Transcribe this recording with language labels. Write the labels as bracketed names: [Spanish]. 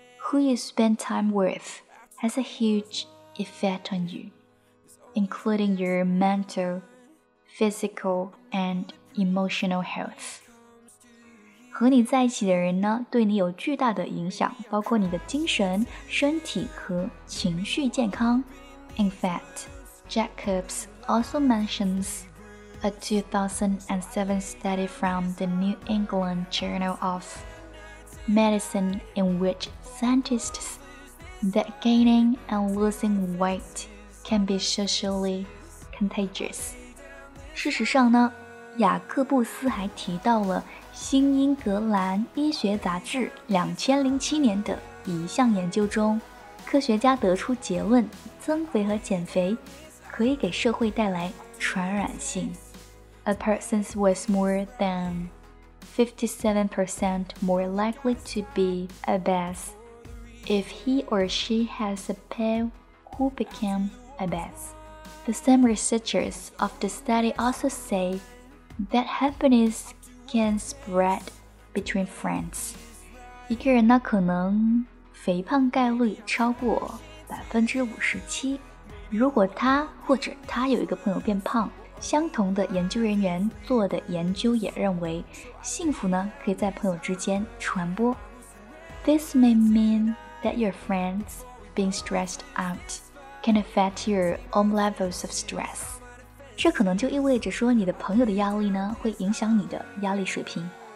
[English] Who you spend time with has a huge effect on you, including your mental, physical, and emotional health. [Chinese] 和你在一起的人呢，对你有巨大的影响，包括你的精神、身体和情绪健康。 [English] In fact, Jacobs also mentions a 2007 study from the New England Journal of Medicine in which scientists that gaining and losing weight can be socially contagious. [Chinese] 事实上呢，雅各布斯还提到了新英格兰医学杂志2007年的一项研究中，科学家得出结论，增肥和减肥可以给社会带来传染性。 [English] A person was more than 57% more likely to be obese if he or she has a pet who became obese. The same researchers of the study also say that happinessCan spread between friends. [Chinese] 一个人呢，可能肥胖概率超过57%。如果他或者他有一个朋友变胖，相同的研究人员做的研究也认为，幸福呢可以在朋友之间传播。 [English] This may mean that your friends being stressed out can affect your own levels of stress. [Chinese] 这可能就意味着说你的朋友的压力呢会影响你的压力水平。